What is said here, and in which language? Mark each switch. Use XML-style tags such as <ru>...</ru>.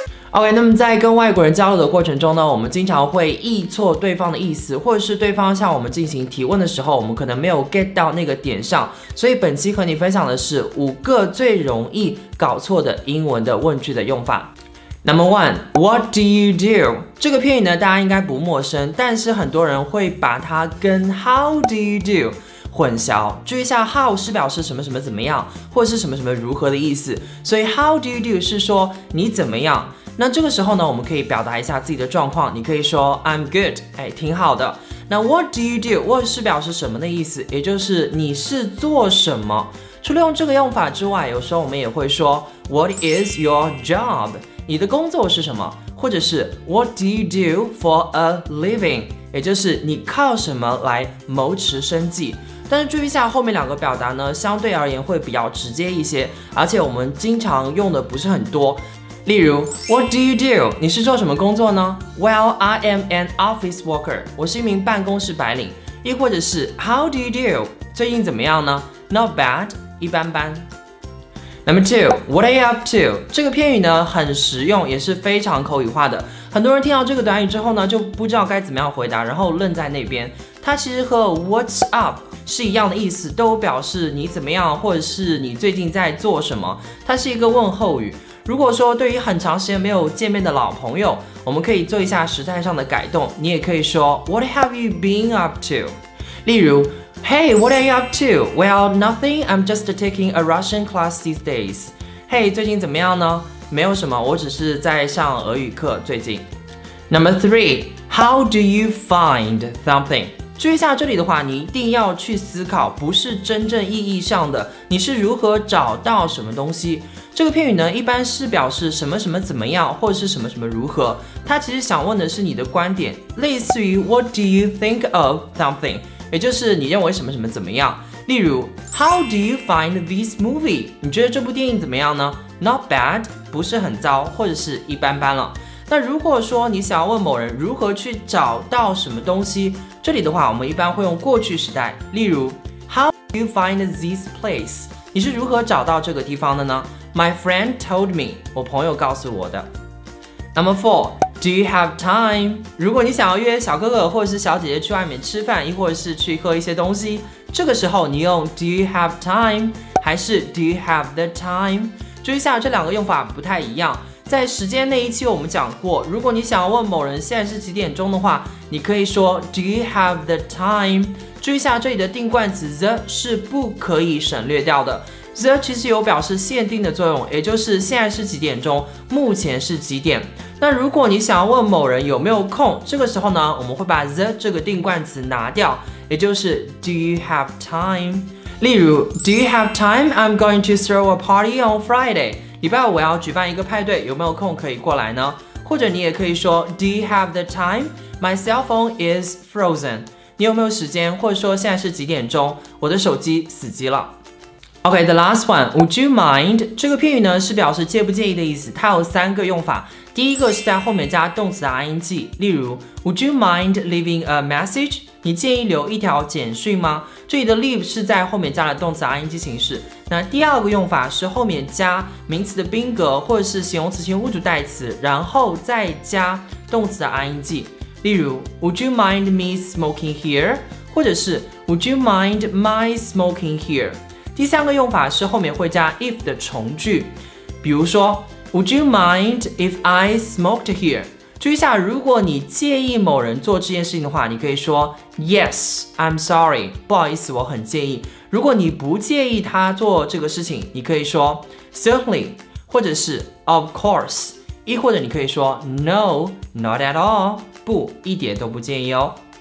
<zh>OK， 那么在跟外国人交流的过程中呢，我们经常会译错对方的意思，或者是对方向我们进行提问的时候，我们可能没有 get 到那个点上。所以本期和你分享的是五个最容易搞错的英文的问句的用法。</zh> <en>Number one, what do you do?</en> <zh>这个片语呢，大家应该不陌生，但是很多人会把它跟</zh> <en>how do you do</en> <zh>混淆。注意一下 how 是表示什么什么怎么样，或是什么什么如何的意思。所以</zh> <en>how do you do</en> <zh>是说你怎么样。那这个时候呢，我们可以表达一下自己的状况，你可以说</zh> <en>I'm good，</en> <zh>哎，挺好的。</zh> <en>那 what do you do?</en> <zh>What 是表示什么的意思，也就是你是做什么。除了用这个用法之外，有时候我们也会说</zh> <en>what is your job?</en> <zh>你的工作是什么，或者是</zh> <en>What do you do for a living?</en> <zh>也就是你靠什么来谋持生计。但是注意一下后面两个表达呢，相对而言会比较直接一些，而且我们经常用的不是很多。</zh> <en>例如 What do you do?</en> <zh>你是做什么工作呢？</zh> <en>Well, I am an office worker.</en> <zh>我是一名办公室白领。亦或者是</zh> <en>How do you do?</en> <zh>最近怎么样呢？</zh> <en>Not bad,</en> <zh>一般般。</zh> <en>Number two, what are you up to?</en> <zh>这个片语呢很实用，也是非常口语化的。很多人听到这个短语之后呢，就不知道该怎么样回答，然后愣在那边。它其实和</zh> <en>what's up</en> <zh>是一样的意思，都表示你怎么样，或者是你最近在做什么。它是一个问候语。如果说对于很长时间没有见面的老朋友，我们可以做一下时态上的改动。你也可以说</zh> <en>what have you been up to?</en> <zh>例如</zh> <en>Hey, what are you up to? Well, nothing. I'm just taking a Russian class these days. Hey,</en> <zh>最近怎么样呢？没有什么，我只是在上俄语课最近。</zh> <en>Number three, how do you find something?</en> <zh>注意一下这里的话，你一定要去思考，不是真正意义上的，你是如何找到什么东西。这个片语呢，一般是表示什么什么怎么样，或者是什么什么如何。它其实想问的是你的观点，类似于</zh> <en>what do you think of something?</en> <zh>也就是你认为什么什么怎么样。例如</zh> <en>How do you find this movie?</en> <zh>你觉得这部电影怎么样呢？</zh> <en>Not bad,</en> <zh>不是很糟，或者是一般般了。那如果说你想要问某人如何去找到什么东西，这里的话我们一般会用过去时态。</zh> <en>例如 How do you find this place?</en> <zh>你是如何找到这个地方的呢？</zh> <en>My friend told me,</en> <zh>我朋友告诉我的。</zh> <en>Number four,Do you have time?</en> <zh>如果你想要约小哥哥或者是小姐姐去外面吃饭，亦或者是去喝一些东西，这个时候你用 Do you have time? 还是</zh> <en>Do you have the time?</en> <zh>注意一下这两个用法不太一样。在时间那一期我们讲过，如果你想要问某人现在是几点钟的话，你可以说</zh> <en>Do you have the time?</en> <zh>注意一下这里的定冠词 the 是不可以省略掉的。 The 其实有表示限定的作用，也就是现在是几点钟，目前是几点。那如果你想要问某人有没有空，这个时候呢，我们会把 the 这个定冠词拿掉，也就是</zh> <en>Do you have time? 例如 Do you have time? I'm going to throw a party on Friday.</en> <zh>礼拜五我要举办一个派对，有没有空可以过来呢？或者你也可以说</zh> <en>Do you have the time? My cell phone is frozen.</en> <zh>你有没有时间？或者说现在是几点钟？我的手机死机了。</zh> <en>OK, the last one, would you mind?</en> <zh>这个片语呢是表示介不介意的意思，它有三个用法。第一个是在后面加动词的 ing, 例如</zh> <en>Would you mind leaving a message?</en> <zh>你介意留一条简讯吗？这里的 leave 是在后面加了动词 ing 形式。那第二个用法是后面加名词的宾格或者是形容词性物主代词，然后再加动词的 ing, 例如</zh> <en>Would you mind me smoking here?</en> <zh>或者是</zh> <en>Would you mind my smoking here?</en> <zh>第三个用法是后面会加 if 的从句，比如说</zh> <en>Would you mind if I smoked here?</en> <zh>注意一下，如果你介意某人做这件事情的话，你可以说</zh> <en>Yes, I'm sorry,</en> <zh>不好意思，我很介意。如果你不介意他做这个事情，你可以说</zh> <en>Certainly,</en> <zh>或者是</zh> <en>Of course,</en> <zh>亦或者你可以说</zh> <en>No, not at all,</en> <zh>不，一点都不介意哦。</zh>